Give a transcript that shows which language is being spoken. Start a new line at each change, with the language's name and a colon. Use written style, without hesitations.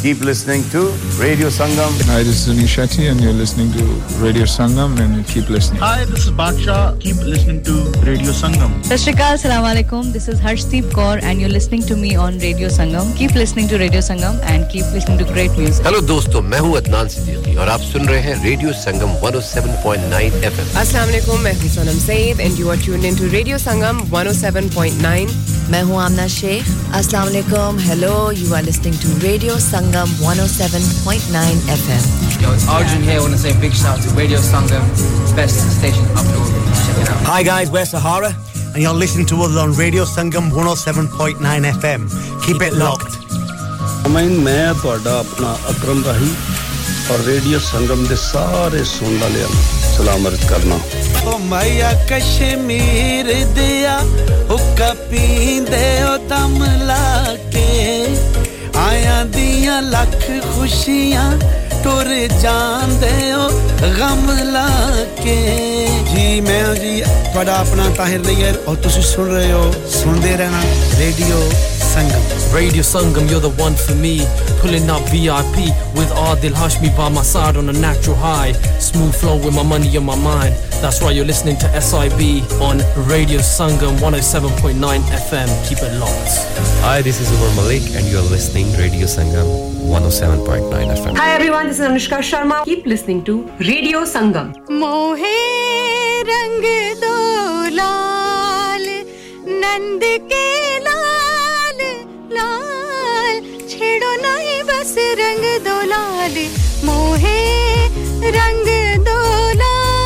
English: Keep listening to Radio Sangam. Hi, this is Anish Shetty, and you're listening to Radio Sangam, and keep listening. Hi, this is Baksha. Keep listening to Radio Sangam. Sashrikal, Assalamu Alaikum. This is Harshdeep Kaur, and you're listening to me on Radio Sangam. Keep listening to Radio Sangam, and keep listening to great music. Hello, dosto.
Hindi: तो मैं हूं अदनान सिद्दीकी और आप सुन रहे हैं radio संगम 107.9 FM.
English: अस्सलाम वालेकुम,
Hindi: मैं हूं
English: Sonam Saeed and you are tuned in to radio Sangam 107.9.
Hindi: मैं हूं आमना शेख.
English: अस्सलाम वालेकुम, hello, you are listening to radio Sangam 107.9 FM. Arjun here, I want to say big shout to radio Sangam, best station up north. Hi guys, we're Sahara and you are listening to us on radio Sangam 107.9 FM. Keep it locked.
Punjabi: ਮੈਂ ਤੁਹਾਡਾ ਆਪਣਾ ਅਕਰਮ ਰਾਹੀ ਔਰ radio ਸੰਗਮ ਦੇ ਸਾਰੇ ਸੁਣਨ ਵਾਲਿਆਂ ਨੂੰ ਸਲਾਮ ਅਰਜ਼ ਕਰਨਾ. ਓ ਮਾਇਆ ਕਸ਼ਮੀਰ ਦਿਆ ਹੁੱਕਾ ਪੀਂਦੇ ਓ ਦਮ ਲਾ ਕੇ ਆਇਆ ਦੀਆਂ ਲੱਖ ਖੁਸ਼ੀਆਂ ਟੁਰ ਜਾਂਦੇ ਓ ਗਮ ਲਾ ਕੇ. ਜੀ ਮੈਂ ਜੀ ਤੁਹਾਡਾ ਆਪਣਾ ਤਾਹਿਰ ਲਈਏ ਔਰ ਤੁਸੀਂ ਸੁਣ ਰਹੇ ਹੋ, ਸੁਣਦੇ ਰਹਿਣਾ radio Sangam.
English: Radio Sangam, you're the one for me. Pulling up VIP with Adil Hashmi by my side on a natural high. Smooth flow with my money in my mind. That's why you're listening to SIB on Radio Sangam 107.9 FM. Keep it locked. Hi, this is Umar Malik and you're listening to Radio Sangam 107.9 FM. Hi everyone, this is Anushka Sharma. Keep listening to Radio Sangam.
Hindi: Mohe rang do lal nand ke छेड़ो नहीं बस रंग दो लाल मोहे रंग दो लाल.